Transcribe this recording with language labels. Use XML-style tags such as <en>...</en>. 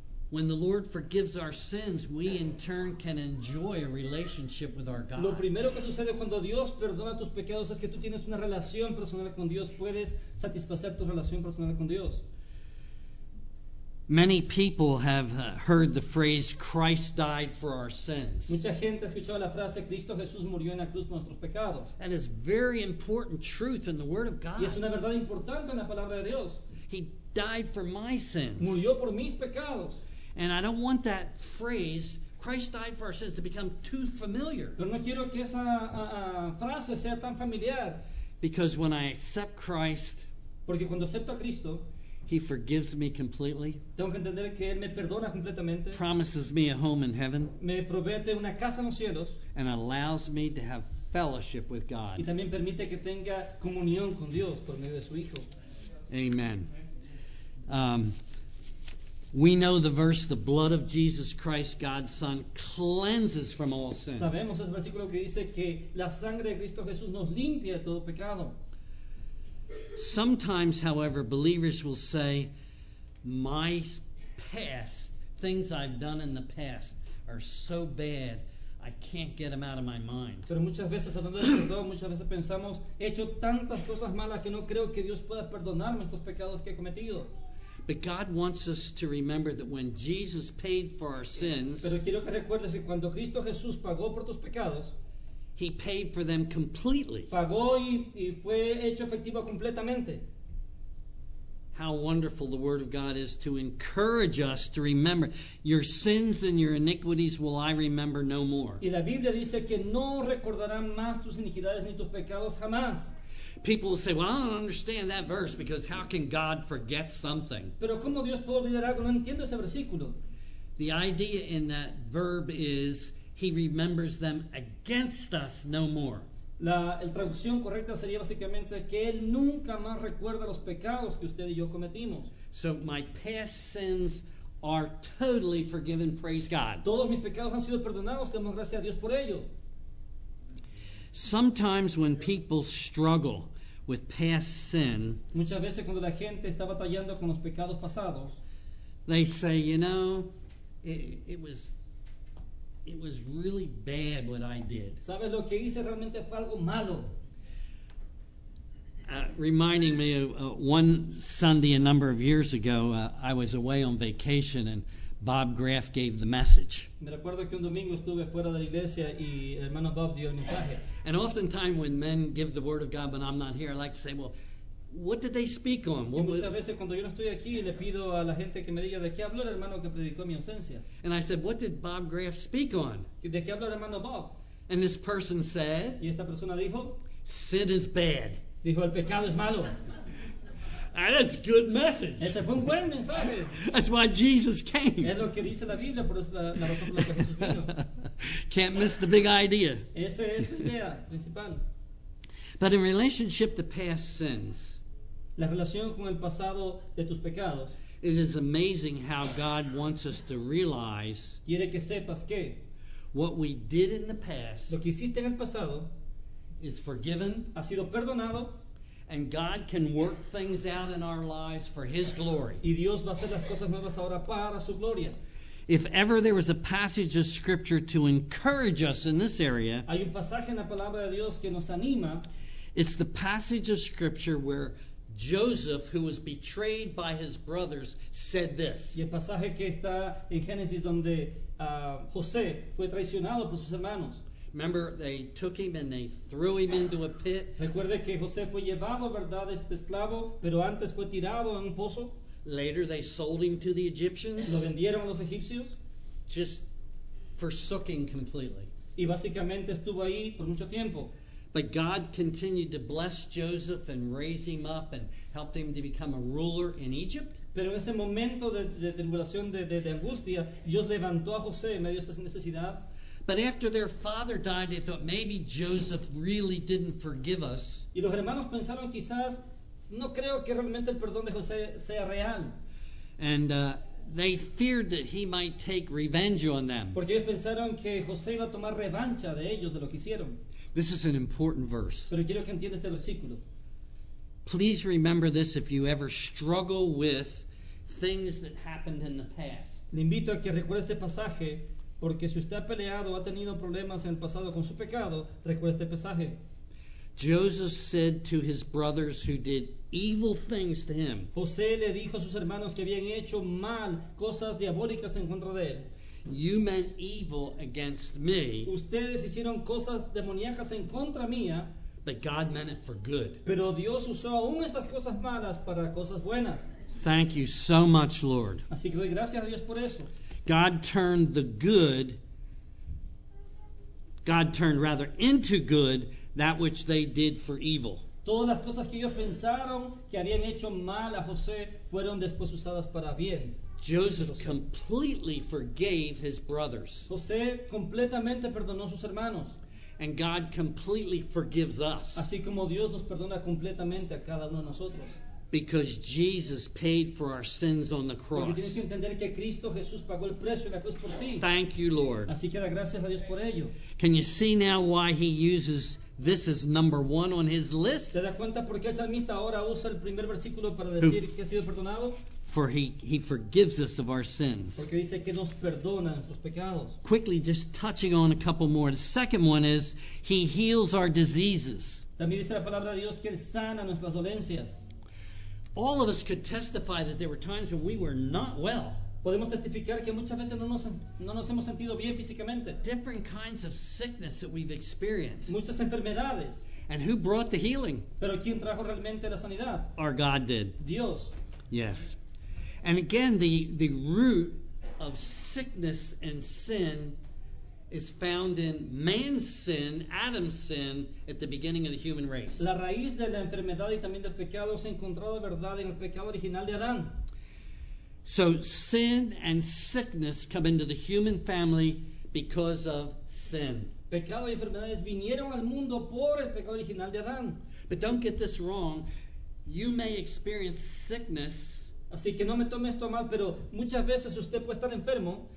<en>When the Lord forgives our sins, we in turn can enjoy a relationship with our God.</en> <es>Lo primero que sucede cuando Dios perdona tus pecados es que tú tienes una relación personal con Dios, puedes satisfacer tu relación personal con Dios.</es> <en>Many people have heard the phrase Christ died for our sins.</en> <es>Mucha gente ha escuchado la frase Cristo Jesús murió en la cruz por nuestros pecados.</es> <en>That is very important truth in the Word of God.</en> <es>Y es una verdad importante en la palabra de Dios.</es> <en>He died for my sins.</en> <es>Murió por mis pecados.</es> <en>And I don't want that phrase, Christ died for our sins, to become too familiar.</en> <es>Pero no quiero que esa frase sea tan familiar.</es> <en>Because when I accept Christ,</en> <es>porque cuando acepto a Cristo,</es> <en>He forgives me completely.</en> <es>Tengo que entender que Él me perdona completamente,</es> <en>promises me a home in heaven.</en> <es>Me provee una casa en los cielos,</es> <en>and allows me to have fellowship with God.</en> <es>Y también permite que tenga comunión con Dios por medio de su Hijo.</es> <en>Amen. We know the verse, the blood of Jesus Christ, God's Son, cleanses from all sin.</en> <es>Sabemos ese versículo que dice que la sangre de Cristo Jesús nos limpia de todo pecado.</es> <en>Sometimes, however, believers will say, my past, things I've done in the past, are so bad, I can't get them out of my mind.</en> <es>Pero muchas veces, hablando de perdón, muchas veces pensamos, he hecho tantas cosas malas que no creo que Dios pueda perdonarme estos pecados que he cometido.</es> <en>But God wants us to remember that when Jesus paid for our sins,</en> <es>pero quiero que recuerdes que cuando Cristo Jesús pagó por tus pecados,</es> <en>He paid for them completely.</en> <es>Pagó y fue hecho efectivo completamente.</es> <en>How wonderful the word of God is to encourage us to remember, your sins and your iniquities will I remember no more.</en> <es>Y la Biblia dice que no recordarán más tus iniquidades ni tus pecados jamás.</es> <en>People will say, well, I don't understand that verse because how can God forget something?</en> <es>Pero ¿cómo Dios puede olvidar algo? No entiendo ese versículo.</es> <en>The idea in that verb is He remembers them against us no more.</en> <es>La traducción correcta sería básicamente que Él nunca más recuerda los pecados que usted y yo cometimos.</es> <en>So my past sins are totally forgiven, praise God.</en> <es>Todos mis pecados han sido perdonados, demos gracias a Dios por ello.</es> <en>Sometimes when people struggle with past sin,</en> <es>muchas veces cuando la gente está batallando con los pecados pasados,</es> <en>they say, you know, it was really bad what I did.</en> <es>¿Sabes lo que hice? Realmente fue algo malo.</es> <en>Reminding me of one Sunday a number of years ago, I was away on vacation and Bob Graff gave the message.</en> <es>Me recuerdo que un domingo estuve fuera de la iglesia y el hermano Bob dio el mensaje.</es> <en>And oftentimes when men give the word of God but I'm not here, I like to say, well, what did they speak on?</en> <es>Muchas veces cuando yo no estoy aquí le pido a la gente que me diga de qué habló el hermano que predicó mi ausencia.</es> <en>And I said, what did Bob Graff speak on?</en> <es>¿De qué habló el hermano Bob?</es> <en>And this person said,</en> <es>y esta persona dijo,</es> <en>sin is bad.</en> <es>Dijo, el pecado es malo.</es> <en>And that's a good message.</en> <es>Este fue un buen mensaje.</es> <en>That's why Jesus came.</en> <es>Es lo que dice la Biblia, por eso la razón por la que Jesús vino.</es> <en>Can't miss the big idea.</en> <es>Esa es la idea principal.</es> <en>But in relationship to past sins,</en> <es>la relación con el pasado de tus pecados,</es> <en>it is amazing how God wants us to realize,</en> <es>quiere que sepas que,</es> <en>what we did in the past,</en> <es>lo que hiciste en el pasado,</es> <en>is forgiven,</en> <es>ha sido perdonado,</es> <en>and God can work things out in our lives for His glory.</en> <es>Y Dios va a hacer las cosas nuevas ahora para su gloria.</es> <en>If ever there was a passage of Scripture to encourage us in this area,</en> <es>hay un pasaje en la palabra de Dios que nos anima,</es> <en>it's the passage of Scripture where Joseph, who was betrayed by his brothers, said this.</en> <es>Y el pasaje que está en Génesis donde José fue traicionado por sus hermanos.</es> <en>Remember, they took him and they threw him into a pit.</en> <es>Recuerde que José fue llevado, ¿verdad?, este esclavo, pero antes fue tirado en un pozo.</es> <en>Later they sold him to the Egyptians.</en> <es>Lo vendieron a los egipcios.</es> <en>Just forsook him completely.</en> <es>Y básicamente estuvo ahí por mucho tiempo.</es> <en>But God continued to bless Joseph and raise him up and helped him to become a ruler in Egypt.</en> <es>Pero en ese momento de tribulación, de angustia, Dios levantó a José en medio de esa necesidad.</es> <en>But after their father died, they thought maybe Joseph really didn't forgive us.</en> <es>Y los hermanos pensaron quizás, no creo que realmente el perdón de José sea real.</es> <en>And they feared that he might take revenge on them.</en> <es>Porque ellos pensaron que José iba a tomar revancha de ellos, de lo que hicieron.</es> <en>This is an important verse.</en> <es>Pero quiero que entiendas este versículo.</es> <en>Please remember this if you ever struggle with things that happened in the past.</en> <es>Le invito a que recuerde este pasaje, porque si usted ha peleado o ha tenido problemas en el pasado con su pecado, recuerde este pasaje.</es> <en>Joseph said to his brothers who did evil things to him.</en> <es>José le dijo a sus hermanos que habían hecho mal, cosas diabólicas en contra de él.</es> <en>You meant evil against me.</en> <es>Ustedes hicieron cosas demoníacas en contra mía.</es> <en>that God meant it for good.</en> <es>Pero Dios usó aún esas cosas malas para cosas buenas.</es> <en>Thank you so much, Lord.</en> <es>Así que doy gracias a Dios por eso.</es> <en>God turned into good that which they did for evil.</en> <es>Todas las cosas que ellos pensaron que habían hecho mal a José fueron después usadas para bien.</es> <en>Joseph completely forgave his brothers.</en> <es>José completamente perdonó sus hermanos.</es> <en>And God completely forgives us.</en> <es>Así como Dios nos perdona completamente a cada uno de nosotros.</es> <en>Because Jesus paid for our sins on the cross.</en> <es>Porque tienes que entender que Cristo Jesús pagó el precio de la cruz por ti.</es> <en>Thank you, Lord.</en> <es>Así que da gracias a Dios por ello.</es> <en>Can you see now why he uses this as number one on his list?</en> <es>¿Te das cuenta por qué el salmista ahora usa el primer versículo para decir que ha sido perdonado?</es> <en>For he forgives us of our sins.</en> <es>Porque dice que nos perdona nuestros pecados.</es> <en>Quickly, just touching on a couple more. The second one is he heals our diseases.</en> <es>También dice la palabra de Dios que él sana nuestras dolencias.</es> <en>All of us could testify that there were times when we were not well.</en> <es>Podemos testificar que muchas veces no nos hemos sentido bien físicamente.</es> <en>Different kinds of sickness that we've experienced.</en> <es>Muchas enfermedades.</es> <en>And who brought the healing?</en> <es>Pero ¿quién trajo realmente la sanidad?</es> <en>Our God did.</en> <es>Dios.</es> <en>Yes. And again, the root of sickness and sin is found in man's sin, Adam's sin, at the beginning of the human race.</en> <es>La raíz de la enfermedad y también del pecado se encontró, ¿verdad?, en el pecado original de Adán.</es> <en>So sin and sickness come into the human family because of sin.</en> <es>Pecado y enfermedades vinieron al mundo por el pecado original de Adán.</es> <en>But don't get this wrong. You may experience sickness.</en> <es>Así que no me tome esto mal, pero muchas veces usted puede estar enfermo.</es>